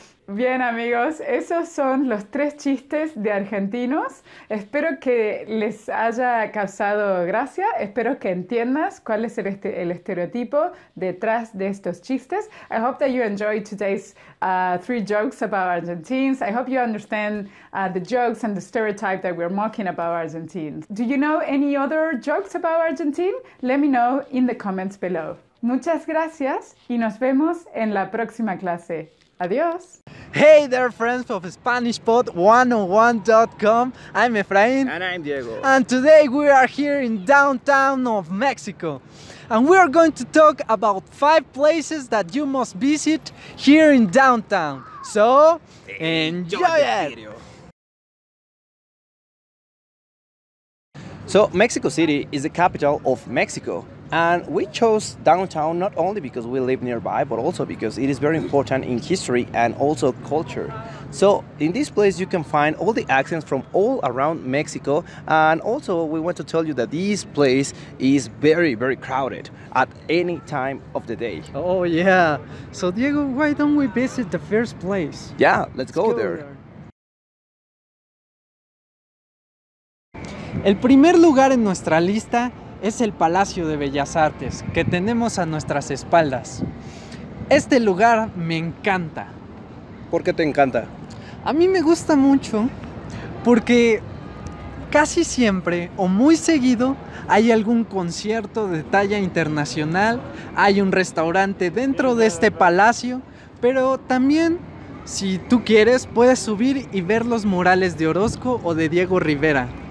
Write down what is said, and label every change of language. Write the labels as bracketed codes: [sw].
[es] Bien, amigos, esos son los tres chistes de argentinos. Espero que les haya causado gracia. Espero que entiendas cuál es el estereotipo detrás de estos chistes. [en] I hope that you enjoyed today's three jokes about Argentines. I hope you understand the jokes and the stereotype that we're mocking about Argentines. Do you know any other jokes about Argentine? Let me know in the comments below. [es] Muchas gracias y nos vemos en la próxima clase. Adiós. [en] Hey there, friends of SpanishPod101.com. I'm Efraín. And I'm Diego. And today we are here in downtown of Mexico. And we are going to talk about five places that you must visit here in downtown. So, enjoy it! So, Mexico City is the capital of Mexico. And we chose downtown not only because we live nearby, but also because it is very important in history and also culture. So in this place you can find all the accents from all around Mexico, and also we want to tell you that this place is very, very crowded at any time of the day. Oh yeah, so Diego, why don't we visit the first place? Yeah, let's go there. [es] El primer lugar en nuestra lista es el Palacio de Bellas Artes, que tenemos a nuestras espaldas. Este lugar me encanta. ¿Por qué te encanta? A mí me gusta mucho porque casi siempre o muy seguido hay algún concierto de talla internacional, hay un restaurante dentro de este palacio, pero también, si tú quieres, puedes subir y ver los murales de Orozco o de Diego Rivera.